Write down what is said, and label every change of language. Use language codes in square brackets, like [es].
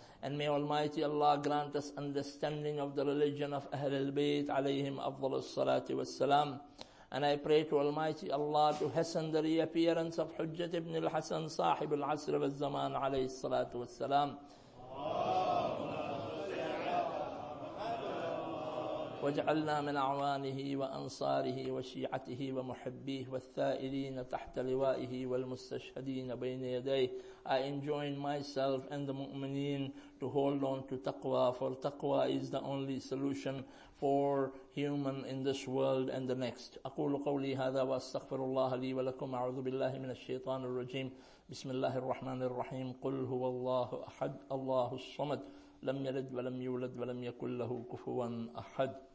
[en] And may Almighty Allah grant us understanding of the religion of Ahlul Bayt [ar] alayhim afdalus salati was salam. [en] And I pray to Almighty Allah to hasten the reappearance of Hujjat ibn al-Hasan [ar] sahib al-Asr wa al-Zaman alayhi salatu was salam. واجعلنا من أعوانه وأنصاره وشيعته ومحبيه والثائرين تحت لوائه والمستشهدين بين يديه. [en] I enjoin myself and the mu'mineen to hold on to taqwa, for taqwa is the only solution for human in this world and the next. [ar] أقول قولي هذا وأستغفر الله لي ولكم أعوذ بالله من الشيطان الرجيم بسم الله الرحمن الرحيم قل هو الله أحد الله الصمد لم يلد ولم يولد ولم يكن له كفوا أحد.